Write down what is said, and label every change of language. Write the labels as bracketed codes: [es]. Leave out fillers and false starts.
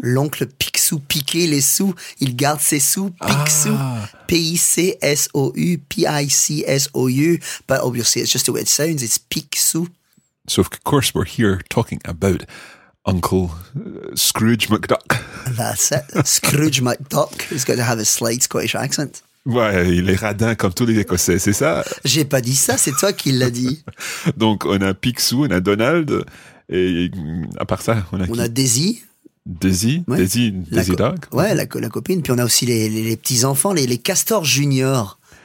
[fr] L'oncle Picsou piquait les sous, il garde ses sous. Picsou. Ah. P-I-C-S-O-U, P-I-C-S-O-U. [en] But obviously, it's just the way it sounds, it's Picsou. So, of course, we're here talking about Uncle Scrooge McDuck. That's it. Scrooge McDuck is going to have a slight Scottish accent. [fr] Ouais, il est radin comme tous les Écossais, c'est ça? J'ai pas dit ça, c'est toi qui l'as dit. Donc, on a Picsou, on a Donald, et à part ça, on a Daisy, Daisy Duck. Ouais, la copine. Puis on a aussi les petits enfants, les castors juniors.